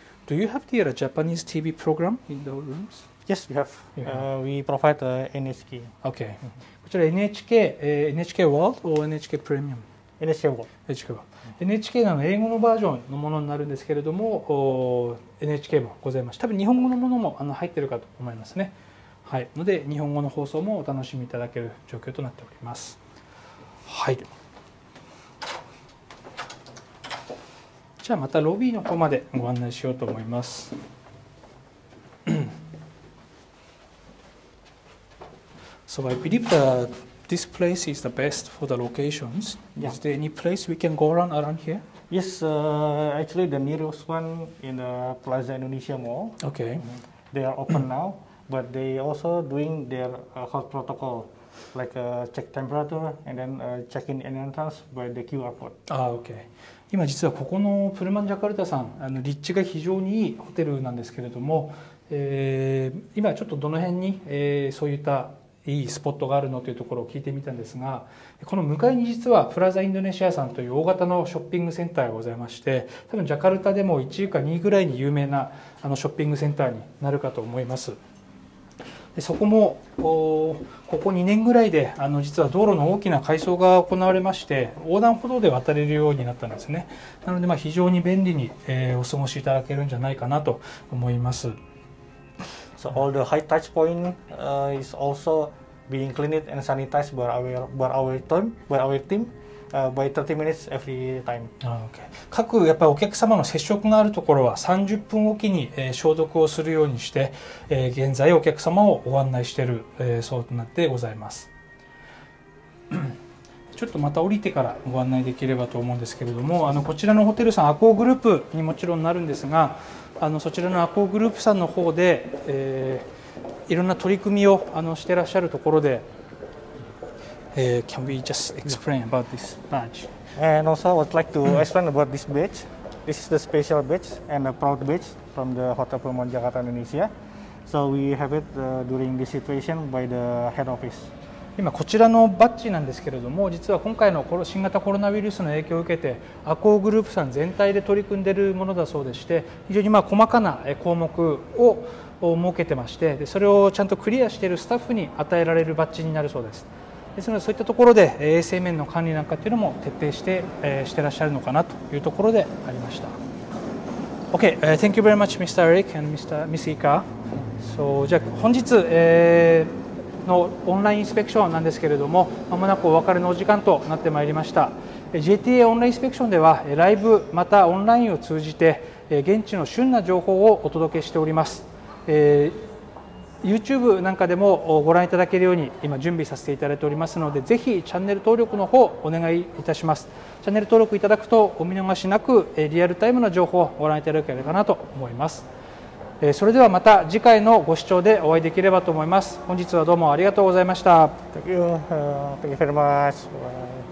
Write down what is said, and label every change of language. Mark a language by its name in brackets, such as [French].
[English] Do you have the Japanese TV program in the rooms? Yes, we have. We provide NHK. Okay. [Japanese] こちら NHK、NHK World or NHK Premium? [English] NHK World. NHK World. [Japanese] NHK の英語のバージョンのものになるんですけれども、NHK もございます。多分日本語のものも入っているかと思いますね。はい。ので日本語の放送もお楽しみいただける状況となっております。はい。じゃあまたロビーの方までご案内しようと思います。 [English] So I believe that this place is the best for the locations. Yeah. Is there any place we can go around here? Yes, actually the nearest one in the Plaza Indonesia Mall. Okay. they are open now, but they also doing their health protocol, like check temperature and then check in and entrance by the QR code. Ah, okay. [Japanese] 今実はここのプルマンジャカルタさん、立地が非常にいいホテルなんですけれども、今ちょっとどの辺に、そういったいいスポットがあるのというところを聞いてみたんですが、この向かいに実はプラザインドネシアさんという大型のショッピングセンターがございまして、多分ジャカルタでも1位か2位ぐらいに有名なあのショッピングセンターになるかと思います。でそこもここ2年ぐらいで実は道路の大きな改装が行われまして横断歩道で渡れるようになったんですね。なので、非常に便利に、お過ごしいただけるんじゃないかなと思います。 [English] So all the high touch point、is also being cleaned and sanitized by our team、by 30 minutes every time、 okay. [Japanese] 各やっぱりお客様の接触があるところは30分おきに、消毒をするようにして、現在お客様をご案内している、そうとなってございます。ちょっとまた降りてからご案内できればと思うんですけれども、こちらのホテルさんアコーグループにもちろんなるんですが、そちらのアコーグループさんの方で、いろんな取り組みをしてらっしゃるところで、 [English] can we just explain about this badge? And also, I would like to explain about this badge. This is the special badge and a proud badge from the Hotel Pulmon Jakarta Indonesia. So we have it during this situation by the head office. [Japanese] 今こちらのバッジなんですけれども、実は今回の新型コロナウイルスの影響を受けて、アコーグループさん全体で取り組んでいるものだそうでして、非常に細かな項目を設けてまして、それをちゃんとクリアしているスタッフに与えられるバッジになるそうです。ですのでそういったところで衛生面の管理なんかというのも徹底して、してらっしゃるのかなというところでありました。 [English] OK、Thank you very much Mr. Eric and Ms. [Japanese] Ika、so、じゃあ本日、のオンラインインスペクションなんですけれども、まもなくお別れのお時間となってまいりました。 JTA オンラインインスペクションではライブまたオンラインを通じて現地の旬な情報をお届けしております。 YouTube なんかでもご覧いただけるように今準備させていただいておりますので、ぜひチャンネル登録の方お願いいたします。チャンネル登録いただくとお見逃しなくリアルタイムの情報をご覧いただけるかなと思います。それではまた次回のご視聴でお会いできればと思います。本日はどうもありがとうございました。 [English] Thank you. Thank you very much. Bye.